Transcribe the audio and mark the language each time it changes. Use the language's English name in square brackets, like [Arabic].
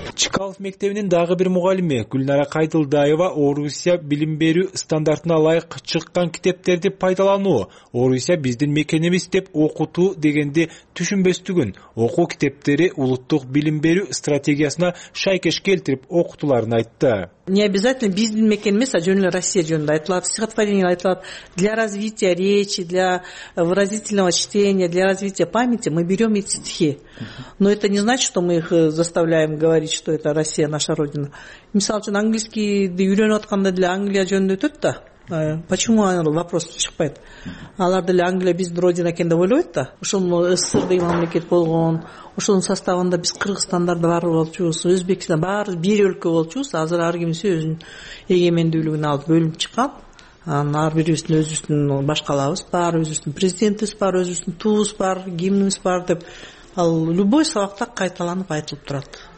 [Kyrgyz] Чкалов мектебинин дагы бир мугалими Гүлнара Кайдылдаева Орусия билим берүү стандартына ылайык чыккан китептерди пайдалануу, Орусия биздин мекенибиз деп окутуу дегенди түшүнбөстүгүн, окуу китептери улуттук билим берүү стратегиясына шайкеш келтирип окутууларын айтты. [Russian] Не обязательно [Kyrgyz] биздин мекенимиз, а жөн эле Россия жөнүндө айтылат, стихотворение айтылат. [Russian] Для развития речи, для выразительного чтения, для развития памяти мы берем эти стихи. Но это не значит, что мы их заставляем говорить, что это Россия, наша родина. [Kyrgyz] Мисал үчүн англискийди үйрөнүп атканда деле Англия жөнүндө өтөт да. [Russian] Почему вопрос [Kyrgyz] чыкпайт? Алар деле Англия биздин родина экен деп ойлобойт да. Ошол СССР деген мамлекет болгон, ошонун составында биз кыргызстандарды баары болчубуз, өзбекстан баары бир өлкө болчубуз. Азыр ар кимиси өзүнүн эгемендүүлүгүн алып бөлүнүп чыккан. Анан ар бирибиздин өзүбүздүн башкалабыз бар, өзүбүздүн президентибиз бар, өзүбүздүн туубуз бар, гимнибиз бар деп ал любой сабакта кайталанып айтылып турат.